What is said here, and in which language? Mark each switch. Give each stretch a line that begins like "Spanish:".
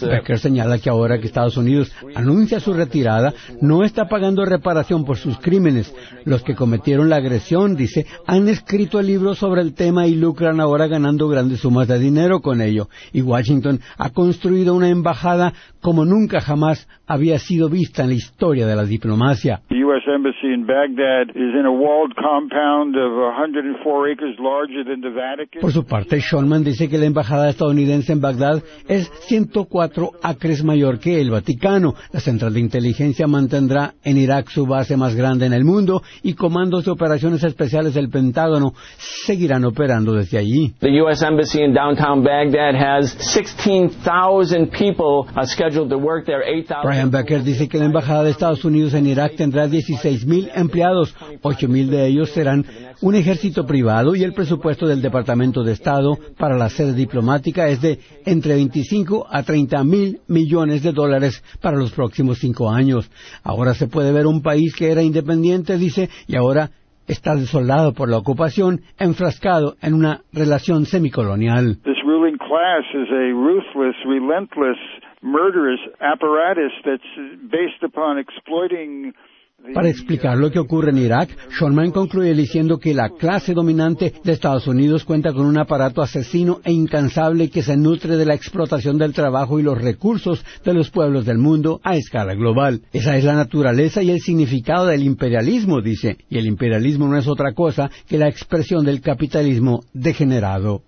Spanish: Becker señala que ahora que Estados Unidos anuncia su retirada, no está pagando reparación por sus crímenes. Los que cometieron la agresión, dice, han escrito libros sobre el tema y lucran ahora ganando grandes sumas de dinero con ello. Y Washington ha construido una embajada como nunca jamás había sido vista en la historia de la diplomacia.
English: The U.S. Embassy in Baghdad is in a walled compound of 104 acres larger than the Vatican.
Spanish: Por su parte, Schulman dice que la embajada estadounidense en Bagdad es 104 acres mayor que el Vaticano. La central de inteligencia mantendrá en Irak su base más grande en el mundo y comandos de operaciones especiales del Pentágono seguirán operando desde allí.
English: The U.S. Embassy in downtown Baghdad has 16,000 people scheduled to work there.
Spanish: Brian Becker dice que la embajada de Estados Unidos en Irak tendrá 16,000 empleados, 8,000 de ellos serán un ejército privado y el presupuesto del Departamento de Estado para la sede diplomática es de entre 25 a 30 mil millones de dólares para los próximos 5 años. Ahora se puede ver un país que era independiente, dice, y ahora está desolado por la ocupación, enfrascado en una relación semicolonial.
English: This ruling class is a ruthless, relentless, murderous apparatus that's based upon exploiting.
Spanish: Para explicar lo que ocurre en Irak, Schulman concluye diciendo que la clase dominante de Estados Unidos cuenta con un aparato asesino e incansable que se nutre de la explotación del trabajo y los recursos de los pueblos del mundo a escala global. Esa es la naturaleza y el significado del imperialismo, dice, y el imperialismo no es otra cosa que la expresión del capitalismo degenerado.